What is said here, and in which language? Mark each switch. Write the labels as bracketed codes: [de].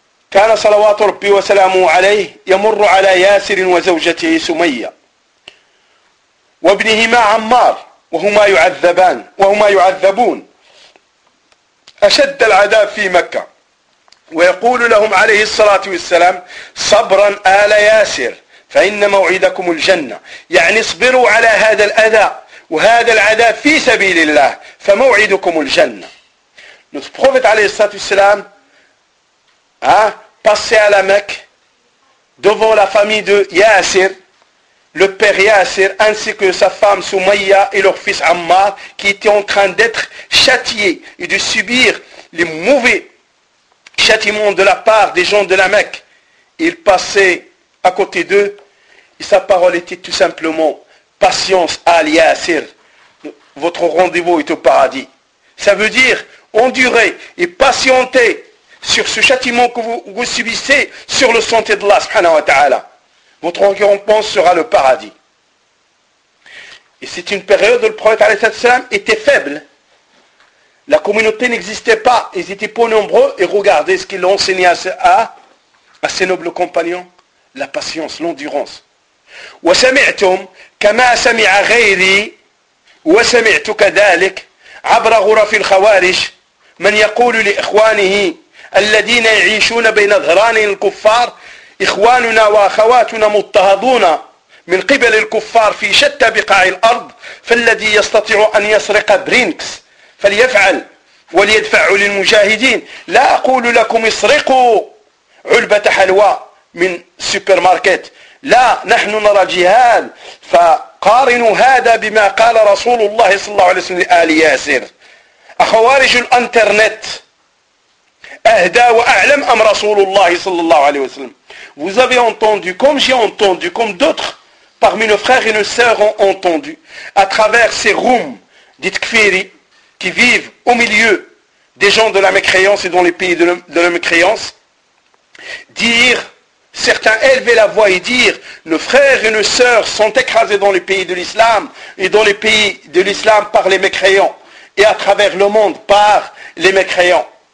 [ar] كان صلوات ربي وسلامه عليه يمر على ياسر وزوجته سمية وابنهما عمار وهما يعذبان وهما يعذبون أشد العذاب في مكة ويقول لهم عليه الصلاة والسلام صبرا آل ياسر فإن موعدكم الجنة يعني اصبروا على هذا الأذى وهذا العذاب في سبيل الله فموعدكم الجنة. [fr] Notre prophète alayhi salam passait à la Mecque devant la famille de Yasir, le père Yasir, ainsi que sa femme Soumaya et leur fils Ammar, qui étaient en train d'être châtiés et de subir les mauvais châtiments de la part des gens de la Mecque. Il passait à côté d'eux et sa parole était tout simplement « Patience à Yasir, votre rendez-vous est au paradis. » Ça veut dire endurer et patienter sur ce châtiment que vous subissez sur le sentier d'Allah subhanahu wa ta'ala. Votre récompense sera le paradis. Et c'est une période où le prophète alayhi salam était faible. La communauté n'existait pas. Ils étaient peu nombreux. Et regardez ce qu'il a enseigné à ses nobles compagnons. La patience, l'endurance. [ar] « Wa sami'tum kama sami'a ghayri wa sami'tu kadhalik » عبر غرف الخوارج من يقول لإخوانه الذين يعيشون بين ظهران الكفار إخواننا وأخواتنا مضطهدون من قبل الكفار في شتى بقاع الأرض فالذي يستطيع أن يسرق برينكس فليفعل وليدفع للمجاهدين لا أقول لكم اسرقوا علبة حلوى من سوبر ماركت لا نحن نرى جهال ف قارنوا هذا بما قال رسول الله صلى الله عليه وسلم لآل ياسر أخوارج الانترنت أهدى وأعلم أم رسول الله صلى الله عليه وسلم. [fr] Vous avez entendu, comme j'ai entendu, comme d'autres parmi nos frères et nos sœurs ont entendu, à travers ces rooms dites kfiri qui vivent au milieu des gens de la mécréance et dans les pays de la mécréance, dire certains élever la voix et dire « Nos frères et nos sœurs sont écrasés dans les pays de l'islam et dans les pays de l'islam par les mécréants et à travers le monde par les mécréants.